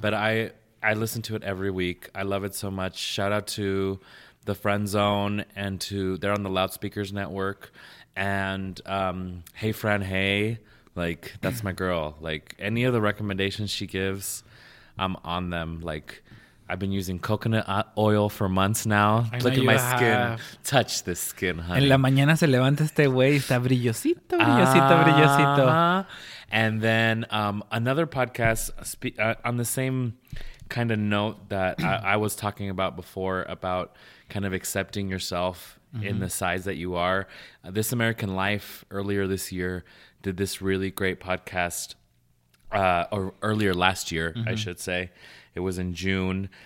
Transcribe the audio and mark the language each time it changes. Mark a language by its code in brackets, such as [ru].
[en] but I listen to it every week. I love it so much. Shout out to The Friend Zone, and to they're on the Loudspeakers Network, and Hey Fran Hey, like that's my girl. Like any of the recommendations she gives, I'm on them. Like I've been using coconut oil for months now. I look at my skin. Have. Touch this skin, honey. [es] En la mañana se levanta este güey y está brillosito, brillosito, brillosito. [en] And then another podcast on the same kind of note that I was talking about before, about kind of accepting yourself in the size that you are. This American Life earlier this year did this really great podcast, or earlier last year, I should say. It was in June.